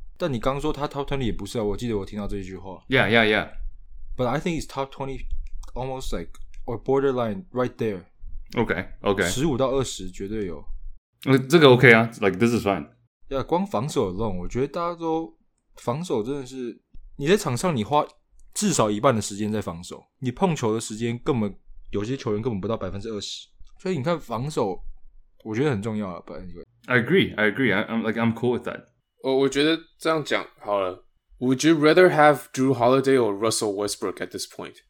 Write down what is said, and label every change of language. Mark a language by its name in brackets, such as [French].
[Chinese] 但你刚说他 top 20也不是啊，我记得我听到这句话。 [English] Yeah, yeah, yeah. But I think he's top 20 almost like or borderline right there. Okay, okay. [Chinese] 15到20绝对有。 [English] 这个 OK 啊 ，like this is fine. [Chinese] Yeah， 光防守 alone， 我觉得大家都防守真的是你在场上你花。至少一半的时间在防守，你碰球的时间根本有些球员根本不到 20%， 所以你看防守我觉得很重要啊。 [English] But anyway, I agree. I'm cool with that. [Chinese] 我觉得这样讲好了。 [English] Would you rather have Drew Holiday or Russell Westbrook at this point?